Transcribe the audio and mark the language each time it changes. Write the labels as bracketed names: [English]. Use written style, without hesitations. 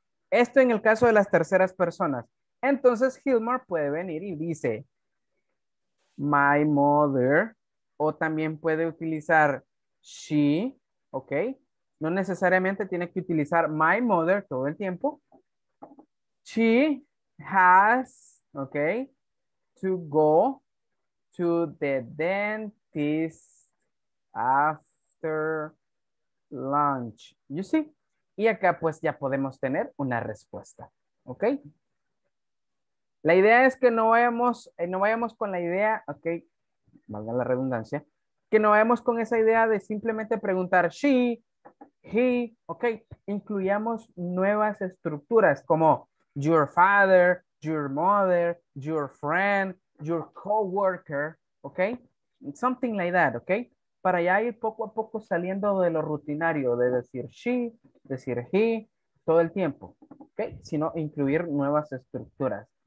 [Spanish] Esto en el caso de las terceras personas. Entonces, Hilmar puede venir y dice, my mother, o también puede utilizar she, ok. No necesariamente tiene que utilizar my mother todo el tiempo. [English] She has, ok, to go to the dentist after lunch. You see? [Spanish] Y acá pues ya podemos tener una respuesta, ok. La idea es que no vayamos con la idea, ok, valga la redundancia, que no vayamos con esa idea de simplemente preguntar she, he, ok, incluyamos nuevas estructuras como [English] your father, your mother, your friend, your coworker, [Spanish] ok, [English] something like that, [Spanish] ok, para ya ir poco a poco saliendo de lo rutinario de decir she, decir he, todo el tiempo, ok, sino incluir nuevas estructuras.